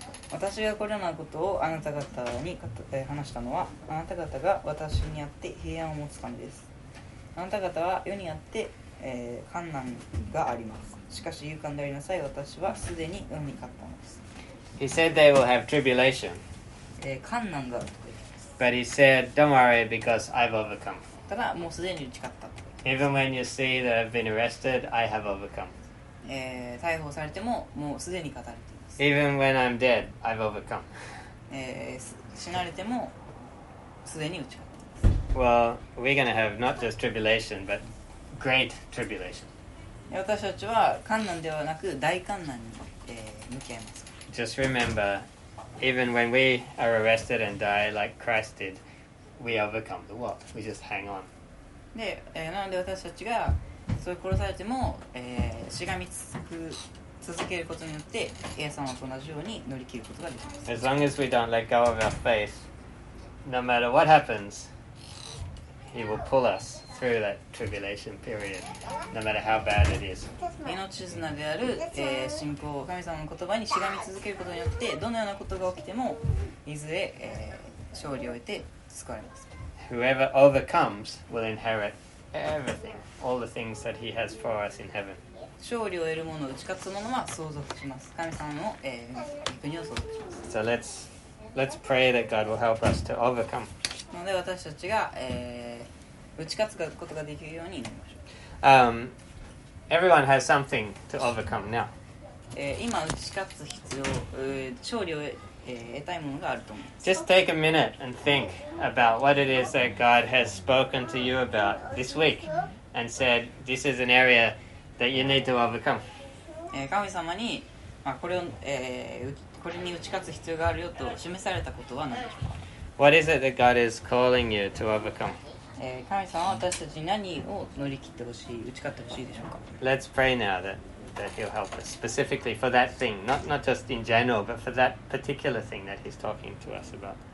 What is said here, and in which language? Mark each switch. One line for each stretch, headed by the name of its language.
Japanese: 私がこれらのことをあなた方に話したのは、あなた方が私にあって平安を持つためです。あなた方は世にあって、患難があります。しかし勇敢でありなさい、私はすでに世に勝ったのです。
English: He said they will have tribulation.
Japanese: 患難があると言います。
English: But he said, don't worry because I've overcome.
Japanese: ただもうすでに打ち勝ったと。
English: Even when you see that I've been arrested, I have overcome.
Japanese: 逮捕されてももうすでに勝たれている。
English: Even when I'm dead, I've overcome.
Japanese: 死なれてもすでに打ち勝っています
English: Well, we're going to have not just tribulation, but great tribulation.
Japanese: 私たちは患難ではなく大患難に、向き合います。
English: Just remember, even when we are arrested and die like Christ did, we overcome the world. We just hang on.
Japanese: で、なので私たちがそれ殺されても、しがみつく続けることによって、イエス様と同じように乗り切ることができます。
English: As long as we don't let go of our faith, no matter what happens, He will pull us through that tribulation period, no matter how bad it is.
Japanese: 命綱である、信仰、神様の言葉にしがみ続けることによって、どのようなことが起きても、いずれ、勝利を得て救われます。
English: Whoever overcomes will inherit everything, all the things that He has for us in heaven.
Japanese: 勝利を得る者、打ち勝つ者は相続します。神様の、国を相続します。
English: So let's pray that God will help us to overcome.
Japanese: なので私たちが、打ち勝つことができるようになりましょう。
English: Everyone has something to overcome now.
Japanese: 今打ち勝つ必要、勝利を、得たいものがあると思います。
English: Just take a minute and think about what it is that God has spoken to you about this week and said, this is an areaThat you need to overcome.
Japanese: 神様に、まあ、これに打ち勝つ必要があるよと示されたことは何でしょうか。
English: What is it that God is calling you to overcome?
Japanese: 神様は私たちに何を乗り切ってほしい、打ち勝ってほしいでしょうか。
English: Let's pray now that He'll help us specifically for that thing, not just in general, but for that particular thing that He's talking to us about.